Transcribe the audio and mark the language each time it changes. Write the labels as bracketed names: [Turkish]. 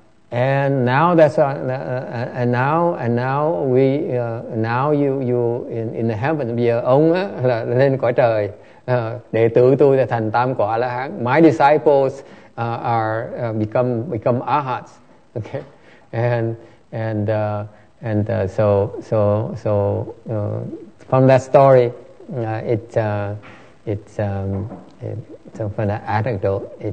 [English] And now that's now you in the heaven. [Vietnamese] Bây giờ ông là lên cõi trời, đệ tử tôi là thành tam quả la hán. [English] My disciples become arhats. Okay, and so from that story, it's from that anecdote.